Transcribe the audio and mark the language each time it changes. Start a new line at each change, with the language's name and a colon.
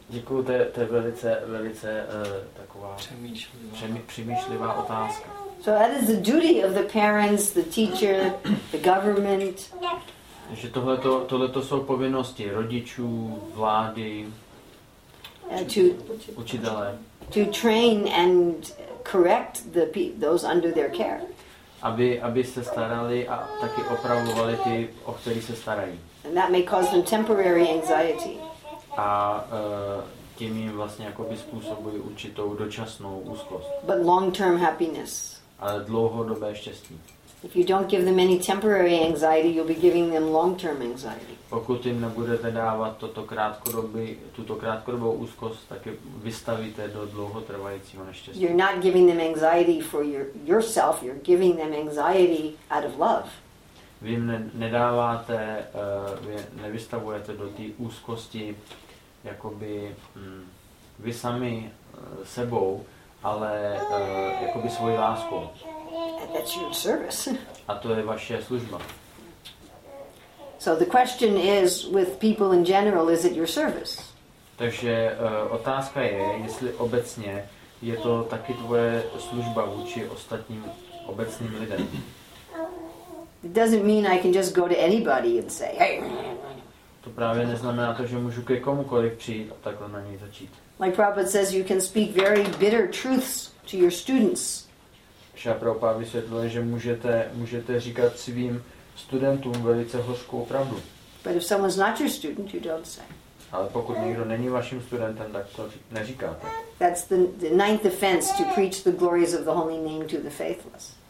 Czech: Děkuji, to je velice taková přemýšlivá otázka.
English: So that is the duty of the parents, the teacher, the government.
Czech: Že tohleto jsou povinnosti rodičů, vlády. Učitelé.
English: To train and correct those under their care.
Czech: Aby se starali a taky opravovali ty, o který se starají.
English: And that may cause them temporary anxiety.
Czech: A tím jim vlastně jakoby způsobují určitou dočasnou úzkost.
English: But long-term happiness.
Czech: Ale dlouhodobé štěstí.
English: If you don't give them any temporary anxiety, you'll be giving them long-term anxiety.
Czech: Pokud jim nebudete dávat tuto krátkodobou úzkost, tak je vystavíte do dlouhotrvajícího neštěstí.
English: You're not giving them anxiety for yourself, you're giving them anxiety out of love.
Czech: Vy jim nedáváte, vy nevystavujete do té úzkosti jakoby vy sami sebou, ale jakoby svojí láskou.
English: That's your service.
Czech: A to je vaše služba.
English: So the question is with people in general, is it your service?
Czech: Takže otázka je, jestli obecně je to taky tvoje služba vůči ostatním obecným lidem.
English: It doesn't mean I can just go to anybody and say, hey.
Czech: To právě neznamená to, že můžu ke komukoliv přijít a takhle na něj začít.
English: Like Prabhupada says, you can speak very bitter truths to your students.
Czech: Šrila Prabhupáda vysvětluje, že můžete říkat svým studentům velice hořkou pravdu.
English: But if someone's not your student, you don't say.
Czech: Ale pokud někdo není vaším studentem, tak to neříkáte.
English: That's the ninth offense to preach the glories of the holy name to the faithless.